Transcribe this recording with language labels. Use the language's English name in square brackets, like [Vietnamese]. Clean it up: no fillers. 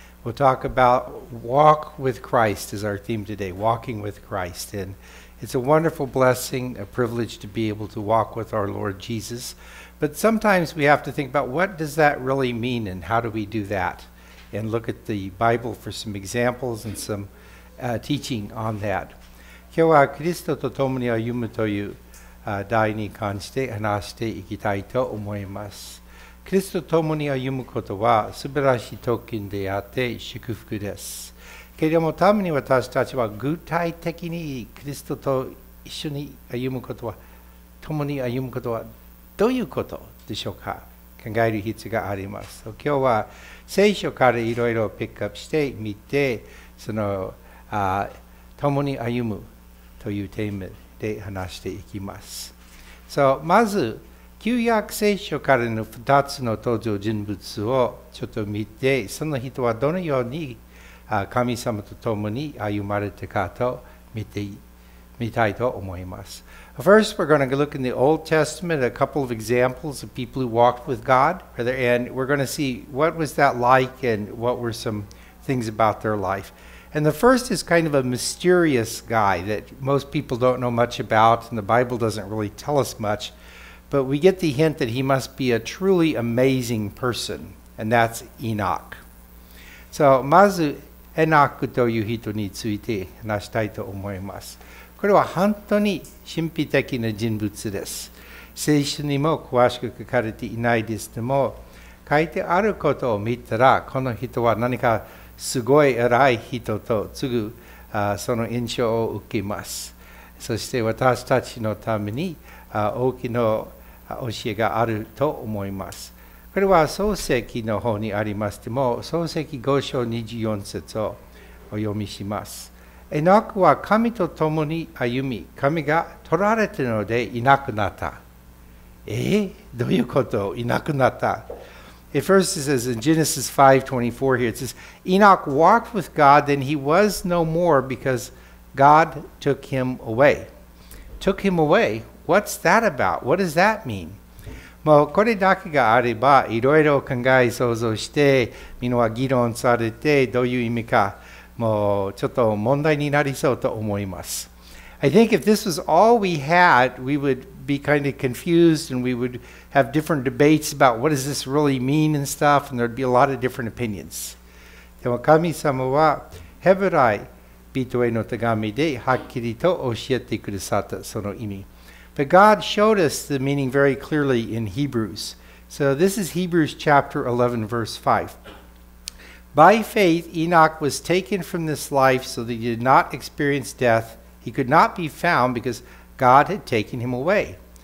[English] We'll talk about walk with Christ is our theme today, walking with Christ. And it's a wonderful blessing, a privilege to be able to walk with our Lord Jesus. But sometimes we have to think about what does that really mean and how do we do that? And look at the Bible for some examples and some teaching on that. [Japanese] 今日はキリストと共に歩むという題に関して話していきたいと思います。キリストと共に歩むことは素晴らしい特権であって祝福です。けれども、ために私たちは具体的にキリストと一緒に歩むことは、共に歩むことはどういうことでしょうか？考える必要があります。今日は聖書からいろいろピックアップしてみて、その共に歩むというテーマで話していきます。 So, まず、旧約聖書からの2つの登場人物をちょっと見て、その人はどのように神様と共に歩まれたかと見たいと思います。 [English] First, we're going to look in the Old Testament, a couple of examples of people who walked with God, and we're going to see what was that like and what were some things about their life. And the first is kind of a mysterious guy that most people don't know much about, and the Bible doesn't really tell us much, but we get the hint that he must be a truly amazing person, and that's Enoch. [Japanese] So, まず、エノクという人について話したいと思います。これは本当に神秘的な人物です。聖書にも詳しく書かれていないですけども、書いてあることを見たら、この人は何かすごい偉い人とすぐその印象を受けます。そして私たちのために大きな教えがあると思います。これは創世記の方にありますけども、創世記5章24節をお読みします。エノクは神と共に歩み、神が取られたのでいなくなった。どういうこと？いなくなった。 [English] At first it says in Genesis 5:24 here, it says, Enoch walked with God, then he was no more because God took him away. Took him away? What's that about? What does that mean? [Japanese] もうこれだけがあれば、いろいろ考え想像して、みんなは議論されて、どういう意味か、もうちょっと問題になりそうと思います。 [English] I think if this was all we had, we would be kind of confused and we would have different debates about what does this really mean and stuff and there'd be a lot of different opinions. [Japanese] でも神様はヘブライ人への手紙ではっきりと教えてくださったその意味。 [English] But God showed us the meaning very clearly in Hebrews. So this is Hebrews chapter 11 verse 5. By faith Enoch was taken from this life so that he did not experience death. He could not be found becauseGod had taken him away.